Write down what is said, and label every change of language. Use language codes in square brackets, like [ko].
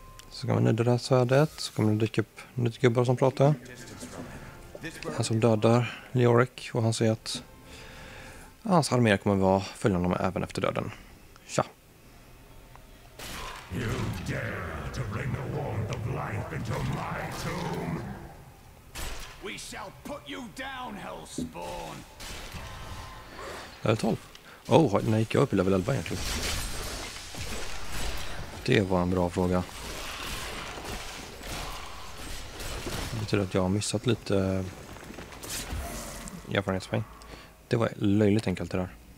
[sv] Så kan vi nöda det här svärdet. Så kommer det dyka upp nytt gubbar som pratar. Han som dödar Leoric. Och han säger att hans armé kommer vara följande även efter döden. Tja. [en] You dare to bring the warmth of life into my tomb? We shall put you down, Hellspawn. Level 12. [sv] Oh, när gick jag upp i level 11 egentligen? Det var en bra fråga. Det betyder att jag har missat lite erfarenhetspoäng. Det var löjligt enkelt det där.